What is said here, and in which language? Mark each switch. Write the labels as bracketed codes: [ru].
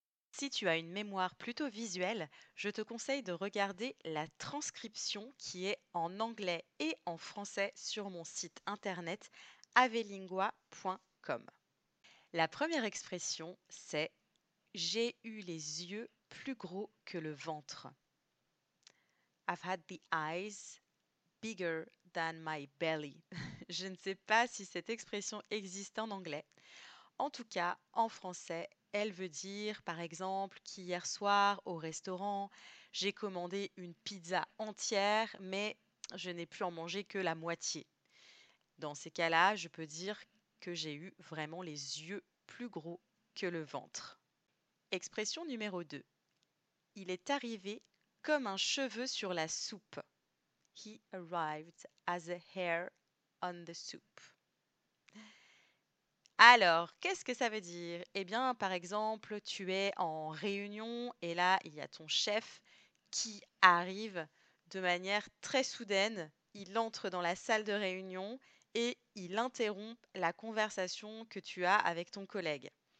[fr] Si tu as une mémoire plutôt visuelle, je te conseille de regarder la transcription qui est en anglais et en français sur mon site internet avelingua.com. La première expression, c'est « j'ai eu les yeux plus gros que le ventre ». [en] I've had the eyes bigger than my belly. [fr] Je ne sais pas si cette expression existe en anglais. En tout cas, en français, elle veut dire, par exemple, qu'hier soir, au restaurant, j'ai commandé une pizza entière, mais je n'ai pu en manger que la moitié. Dans ces cas-là, je peux dire que j'ai eu vraiment les yeux plus gros que le ventre. Expression numéro 2. Il est arrivé comme un cheveu sur la soupe. [en] He arrived as a hair on the soup. [fr] Alors, qu'est-ce que ça veut dire? Eh bien, par exemple, tu es en réunion et là, il y a ton chef qui arrive de manière très soudaine. Il entre dans la salle de réunion et il interrompt la conversation que tu as avec ton collègue.